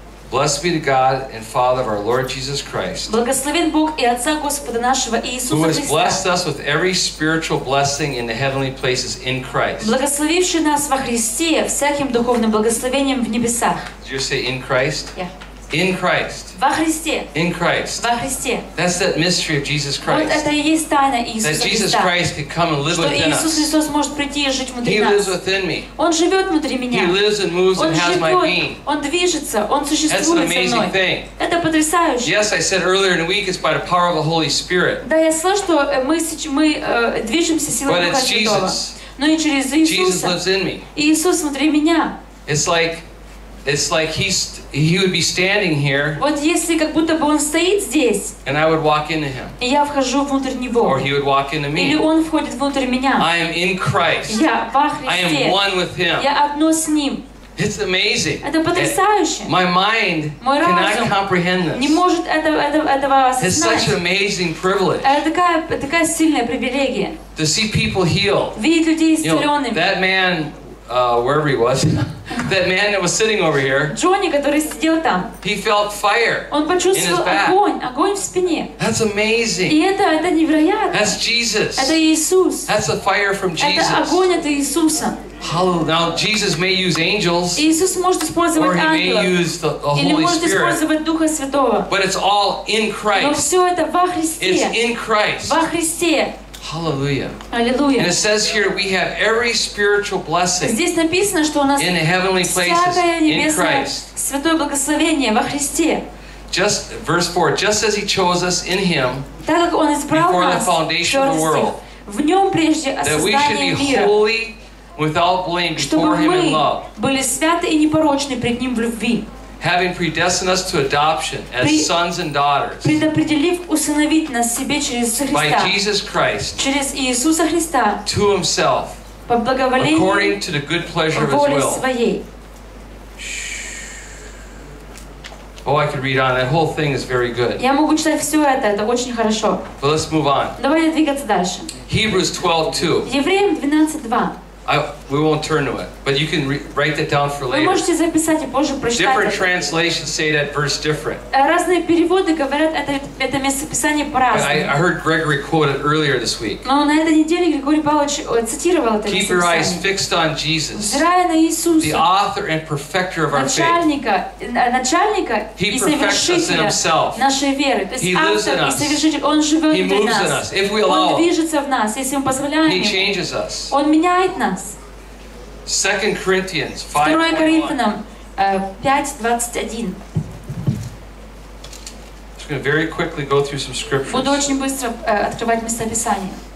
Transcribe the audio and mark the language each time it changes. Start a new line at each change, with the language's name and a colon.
English: Blessed be the God and Father of our Lord Jesus Christ.
Russian: Благословен Бог и Отца Господа нашего Иисуса Христа.
English: Who has blessed us with every spiritual blessing in the heavenly places in Christ.
Russian: Благословивший нас во Христе всяким духовным благословением в небесах.
English: Did you say in Christ? Yeah. In Christ.
Russian: Во Христе.
English: In Christ.
Russian: Во Христе.
English: That's that mystery of Jesus Christ.
Russian: Вот это и есть тайна Иисуса Христа.
English: That Jesus Christ could come and live within us.
Russian: Что Иисус Христос может прийти и жить внутри нас.
English: He lives within me.
Russian: Он живет внутри меня.
English: He lives and moves and has my being.
Russian: Он движется, он существует со мной.
English: That's an amazing thing.
Russian: Это потрясающе.
English: Yes, I said earlier in the week, it's by the power of the Holy Spirit.
Russian: Да, я слышал, что мы движемся силой Духа Святого.
English: But it's Jesus.
Russian: Но и через Иисуса.
English: Jesus lives in me.
Russian: Иисус внутри меня.
English: It's like It's like he would be standing here.
Russian: Вот если как будто бы он стоит здесь.
English: And I would walk into him.
Ukrainian: І я вхожу внутрь нього.
English: Or he would walk into me.
Russian: Или он входит внутрь меня.
English: I am in Christ.
Russian: Я в Христе.
English: I am one with him.
Russian: Я одно з ним.
English: It's amazing.
Russian: Это потрясающе.
English: My mind cannot comprehend this.
Russian: Не може этого осознать.
English: It's such an amazing privilege.
Ukrainian: Это така сильна привілегія.
English: To see people healed.
Russian: Видеть людей исцеленными.
English: That man, wherever he was, that man that was sitting over here,
Russian: Джонни, который сидел там,
English: he felt fire in his back.
Russian: Он почувствовал огонь в спине.
English: That's amazing.
Russian: И это невероятно.
English: That's Jesus.
Russian: Это Иисус.
English: That's a fire from Jesus.
Russian: Это огонь от Иисуса.
English: Hallelujah. Now Jesus may use angels.
Russian: Иисус може использовать ангелов.
English: Or he may use the Holy Spirit.
Russian: Или може использовать Духа Святого.
English: But it's all in Christ.
Russian: Но все это во Христе.
English: It's in Christ.
Russian: Во Христе.
English: Hallelujah. Hallelujah. And it says here we have every spiritual blessing.
Russian: Здесь написано, что у нас
English: in the heavenly places in Christ.
Russian: Святое благословение во Христе.
English: Just verse 4, just as he chose us in him.
Russian: Так как он избрал нас.
English: Before the foundation of the world.
Russian: В нём прежде создания мира.
English: Without blame before him in love.
Russian: Были святы и непорочны пред ним в любви.
English: Having predestined us to adoption as sons and daughters.
Russian: Предопределив усыновить нас себе через Христа.
English: By Jesus Christ.
Russian: Через Иисуса Христа.
English: To himself.
Russian: По благоволению.
English: According to the good pleasure of his will.
Russian: По воле своей.
English: Oh, I could read on. That whole thing is very good.
Russian: Я могу читать всё это очень хорошо.
English: But let's move on.
Russian: Давайте двигаться дальше.
English: Hebrews 12:2.
Russian: Евреям 12:2.
English: We won't turn to it, but you can write that down for later.
Russian: Вы можете записать и позже прочитать.
English: Different translations say that verse different.
Russian: Разные переводы говорят это местописание по-разному.
English: I heard Gregory quote it earlier this week.
Russian: Но на этой неделе Григорий Павлович цитировал это.
English: Keep your eyes fixed on Jesus.
Russian: Взирая на Иисуса.
English: The author and perfecter of our faith.
Russian: Начальника и совершителя нашей веры.
English: He lives in us.
Russian: И совершитель, он живет внутри нас.
English: He moves in us if we allow.
Russian: Он движется в нас, если мы позволяем.
English: He changes us.
Russian: Он меняет нас.
English: 2 Corinthians 5:21. 5:21. I'm just going to very quickly go through some scriptures.
Russian: Буду очень быстро открывать места Писания.